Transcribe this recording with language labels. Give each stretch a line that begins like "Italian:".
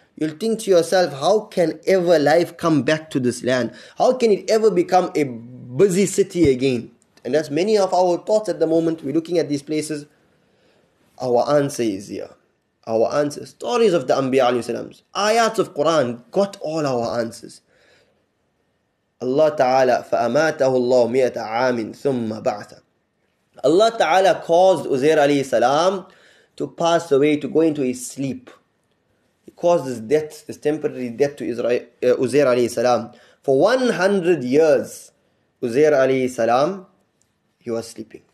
English: You'll think to yourself, how can ever life come back to this land? How can it ever become a busy city again? And that's many of our thoughts at the moment. We're looking at these places. Our answer is here. Our answers, stories of the Anbiya alayhi salams, ayats of Quran got all our answers.
Arabic: Allah Ta'ala, فَأَمَاتَهُ اللَّهُ مِئَةَ عَامٍ ثُمَّ بَعْثَ.
English: Allah Ta'ala caused Uzair alayhi salam to pass away, to go into his sleep. He caused this death, this temporary death to Uzair alayhi salam. For 100 years, Uzair alayhi salam, he was sleeping.